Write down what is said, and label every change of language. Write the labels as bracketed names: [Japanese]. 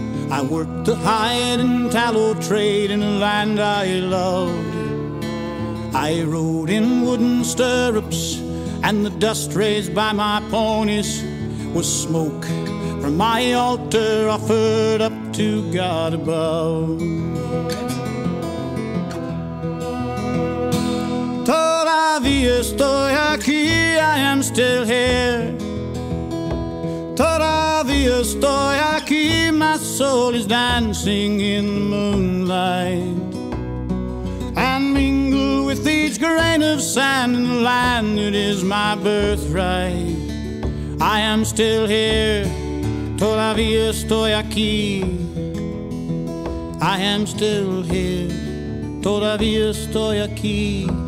[English] I worked the hide and tallow trade in a land I loved. I rode in wooden stirrups and the dust raised by my ponies was smoke from my altar offered up to God above. [Spanish] Todavía estoy aquí, [English] I am still here. [Spanish] Todavía estoy aquí, [English] my soul is dancing in the moonlight. And mingle with each grain of sand in the land that is my birthright. I am still here, [Spanish] todavía estoy aquí. [English] I am still here, [Spanish] todavía estoy aquí.